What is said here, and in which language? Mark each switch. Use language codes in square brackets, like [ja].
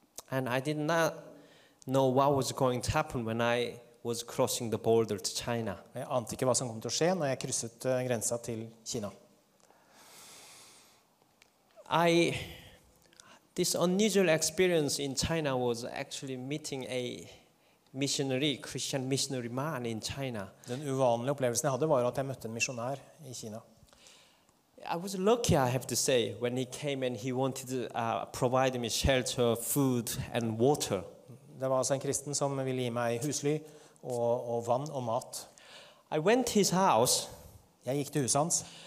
[en] And I did not know what was going to happen when I was crossing the border to China. [no] Jeg ante ikke hva som kom til å skje når jeg krysset grensa til Kina. [en] This unusual experience in China was actually meeting a missionary, Christian missionary man in China. [no] Den uvanlige opplevelsen jeg hadde var at jeg møtte en misjonær i Kina. [en] I was lucky, I have to say, when he came and he wanted to provide me shelter, food and water. [no] Det var altså en kristen som ville gi meg husly og vann og mat. [en] I went to his house. [no] Jeg gikk til huset hans.